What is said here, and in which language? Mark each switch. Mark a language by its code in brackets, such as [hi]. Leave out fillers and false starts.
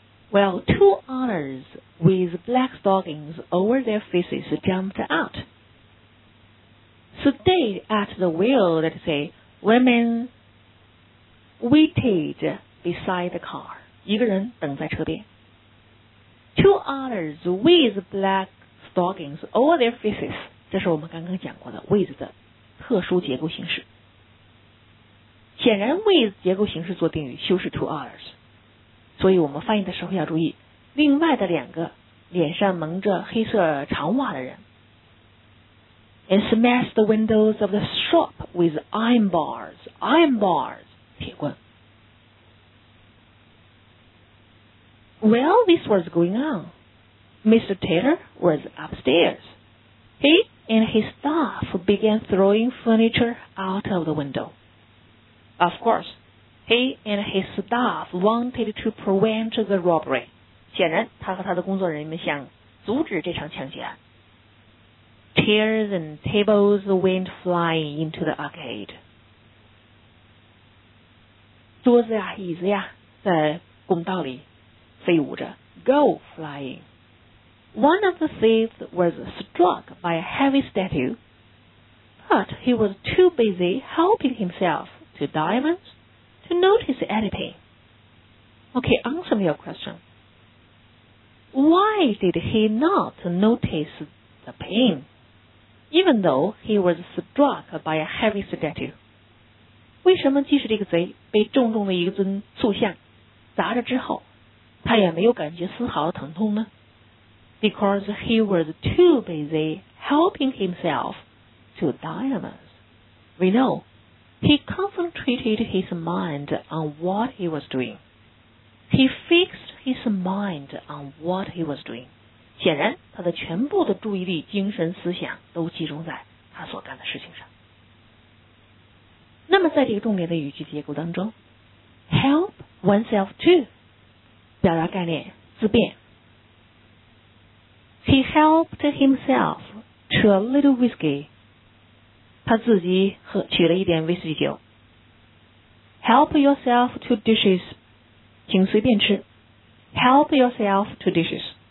[en] Well, two otters with black stockings over their faces jumped out. Stayed at the wheel, let's say, women waited beside the car. [zh] 一个人等在车边。 [en] Two otters with black stockings over their faces. [zh] 这是我们刚刚讲过的 with 的特殊结构形式。显然 with 结构形式做定语修饰 two otters。所以我们翻译的时候要注意，另外的两个脸上蒙着黑色长袜的人 [en] and smashed the windows of the shop with iron bars, [zh] iron bars, 铁棍。 [en] While this was going on, Mr. Taylor was upstairs. He and his staff began throwing furniture out of the window. Of course, he and his staff wanted to prevent the robbery. [zh] 显然，他和他的工作人员想阻止这场抢劫案。 [en] Chairs and tables went flying into the arcade. [zh] 桌子呀，椅子呀，在拱道里飞舞着 [en] go flying. One of the thieves was struck by a heavy statue, but he was too busy helping himself to diamonds to notice anything. Okay, answer me your question. Why did he not notice the pain, even though he was struck by a heavy statue? [zh] 为什么即使这个贼被重重的一尊塑像砸着之后他也没有感觉丝毫的疼痛呢 ？ [en] Because he was too busy helping himself to diamonds. We know he concentrated his mind on what he was doing. He fixed his mind on what he was doing. [zh] 显然，他的全部的注意力、精神、思想都集中在他所干的事情上。那么，在这个重点的语句结构当中 ， [en] help oneself too. [zh] 表达概念自便 [en] He helped himself to a little whiskey [zh] 他自己喝取了一点威士忌酒 [en] Help yourself to dishes [zh] 请随便吃 [en] Help yourself to dishes